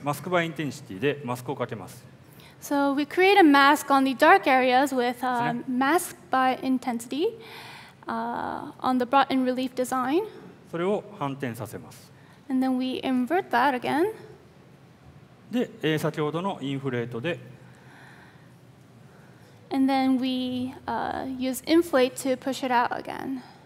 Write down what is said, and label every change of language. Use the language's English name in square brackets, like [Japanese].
[Japanese] マスクバイインテンシティでマスクをかけます。 [English] So we create a mask on the dark areas with a mask by intensity on the brought in relief design. [Japanese] それを反転させます。 [English] And then we invert that again. [Japanese] で、先ほどのインフレートで。 [English] And then we use inflate to push it out again.